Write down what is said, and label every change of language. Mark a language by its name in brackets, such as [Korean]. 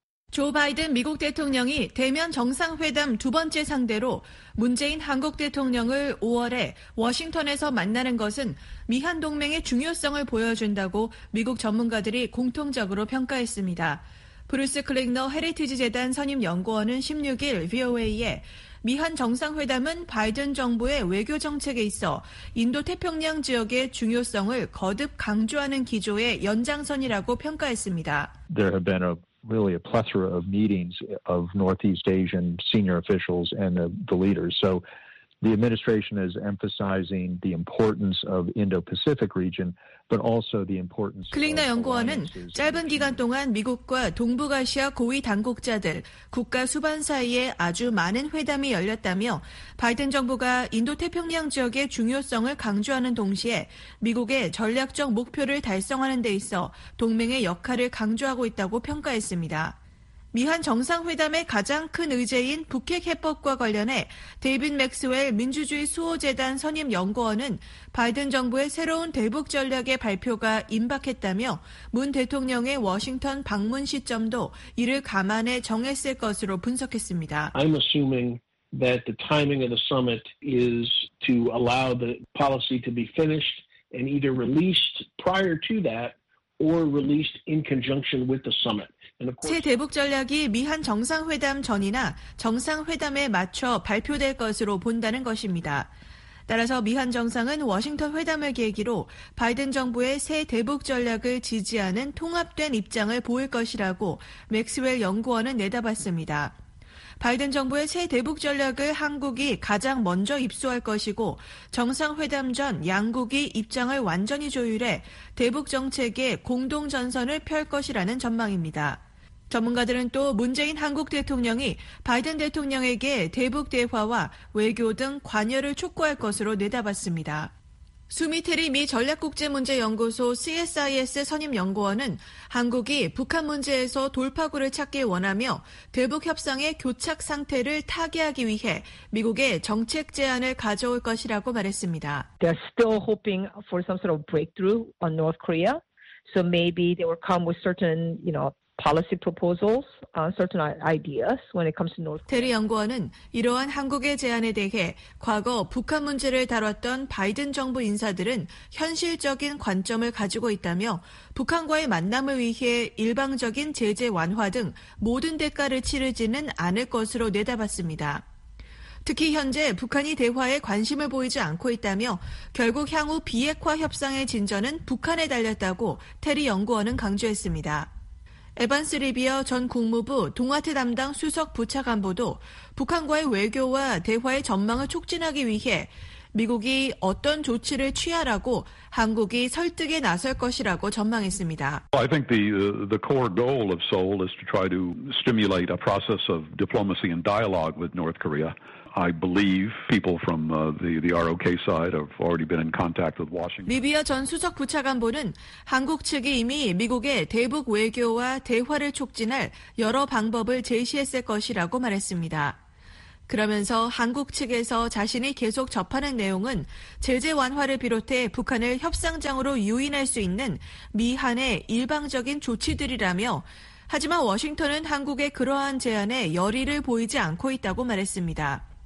[Korean] 조 바이든 미국 대통령이 대면 정상회담 두 번째 상대로 문재인 한국 대통령을 5월에 워싱턴에서 만나는 것은 미한 동맹의 중요성을 보여준다고 미국 전문가들이 공통적으로 평가했습니다. 브루스 클릭너 헤리티지 재단 선임 연구원은 16일 VOA에 미한 정상회담은 바이든 정부의 외교 정책에 있어 인도태평양 지역의 중요성을 거듭 강조하는 기조의 연장선이라고 평가했습니다. [English] There have been really a plethora of meetings of Northeast Asian senior officials and the leaders. So the administration is emphasizing the importance of Indo-Pacific region, but also the importance of [Korean] 클릭너 연구원은 짧은 기간 동안 미국과 동북아시아 고위 당국자들, 국가 수반 사이에 아주 많은 회담이 열렸다며 바이든 정부가 인도태평양 지역의 중요성을 강조하는 동시에 미국의 전략적 목표를 달성하는 데 있어 동맹의 역할을 강조하고 있다고 평가했습니다. 미한 정상회담의 가장 큰 의제인 북핵 해법과 관련해 데이빗 맥스웰 민주주의 수호재단 선임 연구원은 바이든 정부의 새로운 대북 전략의 발표가 임박했다며 문 대통령의 워싱턴 방문 시점도 이를 감안해 정했을 것으로 분석했습니다. I'm assuming that the timing of the summit is to allow the policy to be finished and either released prior to that or released in conjunction with the summit. 새 대북 전략이 미한 정상회담 전이나 정상회담에 맞춰 발표될 것으로 본다는 것입니다. 따라서 미한 정상은 워싱턴 회담을 계기로 바이든 정부의 새 대북 전략을 지지하는 통합된 입장을 보일 것이라고 맥스웰 연구원은 내다봤습니다. 바이든 정부의 새 대북 전략을 한국이 가장 먼저 입수할 것이고 정상회담 전 양국이 입장을 완전히 조율해 대북 정책의 공동 전선을 펼 것이라는 전망입니다. 전문가들은 또 문재인 한국 대통령이 바이든 대통령에게 대북 대화와 외교 등 관여를 촉구할 것으로 내다봤습니다. 수미테리 미 전략국제문제연구소 CSIS 선임연구원은 한국이 북한 문제에서 돌파구를 찾길 원하며 대북 협상의 교착 상태를 타개하기 위해 미국의 정책 제안을 가져올 것이라고 말했습니다. [English] They're still hoping for some sort of breakthrough on North Korea. So maybe they will come with certain, you know, policy proposals, certain ideas when it comes to North Korea. [Korean] 테리 연구원은 이러한 한국의 제안에 대해 과거 북한 문제를 다뤘던 바이든 정부 인사들은 현실적인 관점을 가지고 있다며 북한과의 만남을 위해 일방적인 제재 완화 등 모든 대가를 치르지는 않을 것으로 내다봤습니다. 특히 현재 북한이 대화에 관심을 보이지 않고 있다며 결국 향후 비핵화 협상의 진전은 북한에 달렸다고 테리 연구원은 강조했습니다. 에반스 리비어 전 국무부 동아태 담당 수석 부차관보도 북한과의 외교와 대화의 전망을 촉진하기 위해 미국이 어떤 조치를 취하라고 한국이 설득에 나설 것이라고 전망했습니다. [English] I think the core goal of Seoul is to try to stimulate a process of diplomacy and dialogue with North Korea. I believe people from the ROK side have already been in contact with Washington. [Korean] 리비어 전 수석 부차관보는 한국 측이 이미 미국의 대북 외교와 대화를 촉진할 여러 방법을 제시했을 것이라고 말했습니다. 그러면서 한국 측에서 자신이 계속 접하는 내용은 제재 완화를 비롯해 북한을 협상장으로 유인할 수 있는 미한의 일방적인 조치들이라며 하지만 워싱턴은 한국의 그러한 제안에 열의를 보이지 않고 있다고 말했습니다.